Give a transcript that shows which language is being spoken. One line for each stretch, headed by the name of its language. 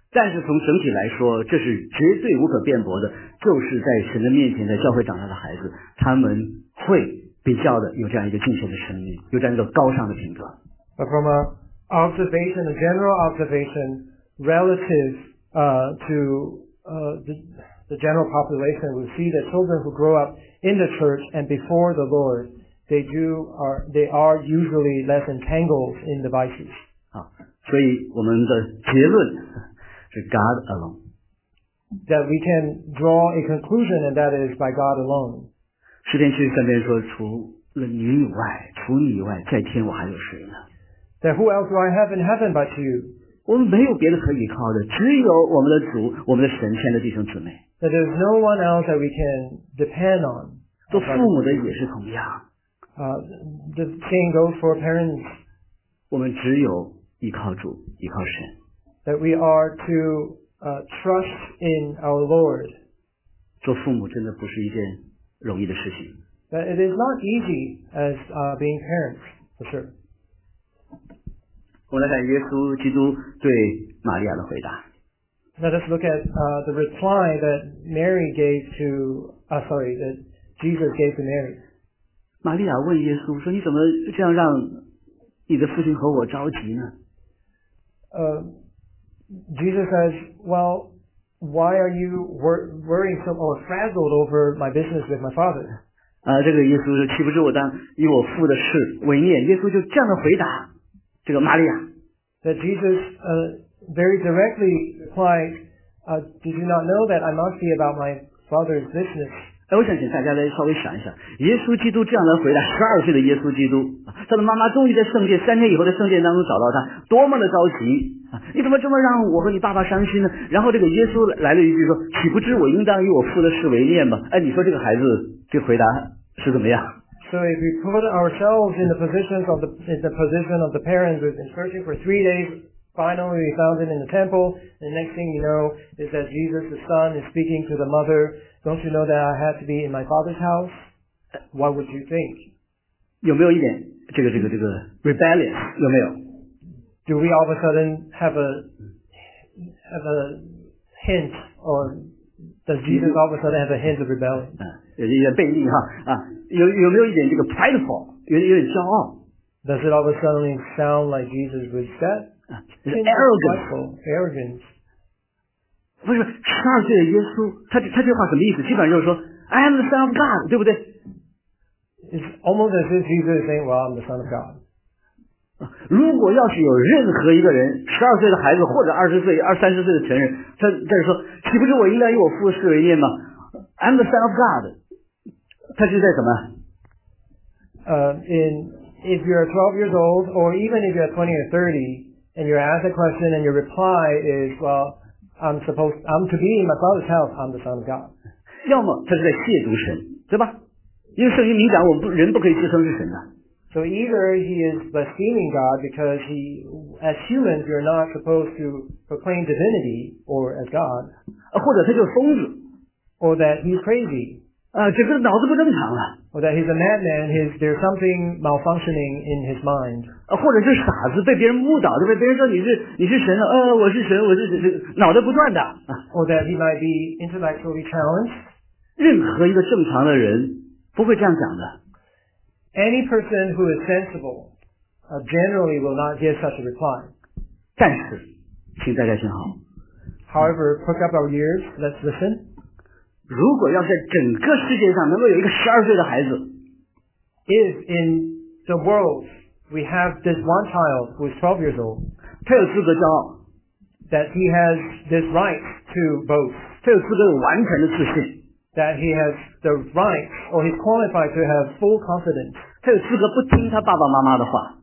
Chinese: 但是从整体来说，这是绝对无可辩驳的，就是在神的面前在教会长大的孩子，他们会比较的有这样一个敬虔的生命，有这样一个高尚的品格。
English: But from an observation, a general observation relative to the general population, we see that children who grow up in the church and before the Lord, they are usually less entangled in the vices.
Chinese: 好，所以我们的结论是
English: God alone. That we can draw a conclusion, and that is by God alone.
Chinese: 诗篇七十三篇说，除了你以外，除你以外，在天我还有谁呢？
English: That who else do I have in heaven but you?
Chinese: 我们没有别的可以靠的，只有我们的主，我们的神，亲爱的弟兄姊妹。
English: That there's no one else that we can depend on.
Chinese: 做父母的也是同样。
English: The same goes for parents.
Chinese: 我们只有依靠主，依靠神。
English: That we are to trust in our Lord.
Chinese: 做父母真的不是一件容易的事情。
English: That it is not easy as being parents, for sure.
Chinese: 我们来看耶稣基督对玛利亚的回答。
English: Let us look at the reply that Mary gave to, sorry, that Jesus gave to Mary.
Chinese: 玛利亚问耶稣说：“你怎么这样让你的父亲和我着急呢？”
English: Jesus says, "Well, why are you worrying so or frazzled over my business with my father?"
Chinese: 这个耶稣说：“岂不是我当以我父的事为念？” 耶稣就这样的回答。这个玛利亚
English: that Jesus very directly replied, "Did you not know that I must be about my father's business?"
Chinese: 我想请大家来稍微想一想，耶稣基督这样的回答，十二岁的耶稣基督，他的妈妈终于在圣殿三天以后在圣殿当中找到他，多么的着急啊！你怎么这么让我和你爸爸伤心呢？然后这个耶稣来了一句说：“岂不知我应当以我父的事为念吗？” 哎，你说这个孩子这回答是怎么样？
English: So if we put ourselves in the position of the parents who've been searching for 3 days, finally we found him in the temple, the next thing you know is that Jesus the son is speaking to the mother, don't you know that I have to be in my father's house? What would you think?
Chinese: 有没有一点这个
English: rebellious,
Chinese: 有没有?
English: Do we all of a sudden have a hint or does Jesus all of a sudden have a hint of rebellion?
Chinese: 有点背逆哈啊，有没有一点这个
English: prideful，
Chinese: 有点骄傲
English: ？Does it all of a sudden sound like Jesus was that arrogant？
Chinese: 不是，十二岁的耶稣，他这话什么意思？基本上就是说
English: ，I am the Son of God，
Chinese: 对不对
English: ？It's almost as if Jesus is saying, "Well, I'm the Son of God."
Chinese: 如果要是有任何一个人，十二岁的孩子或者二十岁、二三十岁的成人，他在说，岂不是我应当以我父的事为念吗？
English: I'm the Son of God.
Chinese: 他是在什么？
English: if you're 12 years old, or even if you're 20 or 30, and you're asked a question and your reply is, well, I'm to be in my father's house, I'm the son of God.
Chinese: 要么他是在亵渎神，对吧？因为圣经明讲，我们人不可以自称是神的。
English: So either he is blaspheming God because he, as humans, you're not supposed to proclaim divinity or as God.
Chinese: 或者他就是疯子。
English: Or that he's crazy.
Chinese: 这个脑子不正常了。
English: Or that he's a madman, there's something malfunctioning in his mind.
Chinese: 或者是傻子被别人误导，对不对？别人说你是神了，我是神，我是神，脑袋不转的。
English: Or that he might be intellectually challenged.
Chinese: 任何一个正常的人不会这样讲的。
English: Any person who is sensible, generally will not give such a reply.
Chinese: 但是，请大家听好。
English: However, pick up our ears, let's listen.
Chinese: 如果要在整个世界上能够有一个十二岁的孩子。
English: If in the world we have this one child who is 12 years old,
Chinese: 他有资格骄傲。
English: That he has this right to boast.
Chinese: 他有资格有完全的自信。
English: That he has the right, or he's qualified to have full confidence.
Chinese: 他有资格不听他爸爸妈妈的话。